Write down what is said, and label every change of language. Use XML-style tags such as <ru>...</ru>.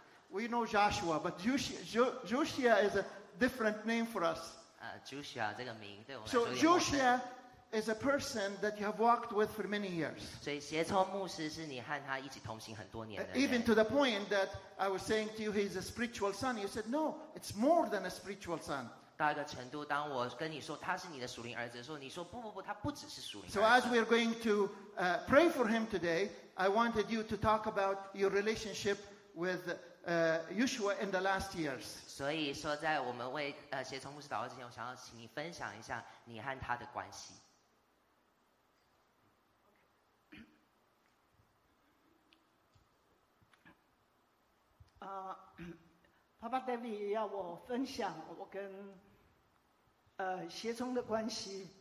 <en>We know Joshua, but Joshua is a different name for us.</en> <zh>Joshua, 这个名对我们。</zh> <en>So Joshua is a person that you have walked with for many years.</en> <zh>所以协聪牧师是你和他一起同行很多年的。</zh> <en>Even to the point that I was saying to you, he's a spiritual son. You said, no, it's more than a spiritual son.</en> <zh>到一个程度，当我跟你说他是你的属灵儿子的时候，你说不，他不只是属灵儿子。</zh> <en>So as we are going to pray for him today, I wanted you to talk about your relationship with. Joshua in the last years.</en> <zh>所以说，在我们为协同牧师祷告之前，我想要请你分享一下你和他的关系。 Papa David 也要我分享我跟协同的关系。</zh>